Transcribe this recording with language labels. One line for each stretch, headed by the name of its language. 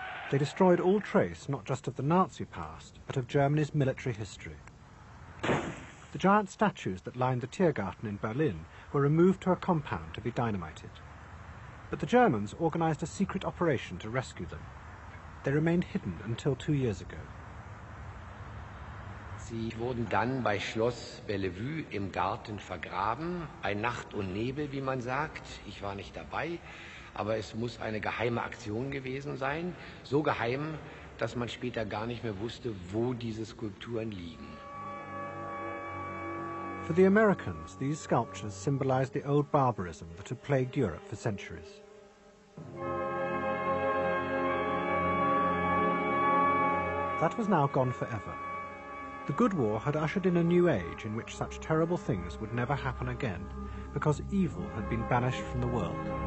English: They destroyed all trace, not just of the Nazi past, but of Germany's military history. The giant statues that lined the Tiergarten in Berlin were removed to a compound to be dynamited. But the Germans organized a secret operation to rescue them. They remained hidden until 2 years ago.
German: Sie wurden dann bei Schloss Bellevue im Garten vergraben. Ein Nacht und Nebel, wie man sagt. Ich war nicht dabei, aber es muss eine geheime Aktion gewesen sein. So geheim, dass man später gar nicht mehr wusste, wo diese Skulpturen liegen.
English: For the Americans, these sculptures symbolize the old barbarism that had plagued Europe for centuries. That was now gone forever. The Good War had ushered in a new age in which such terrible things would never happen again, because evil had been banished from the world.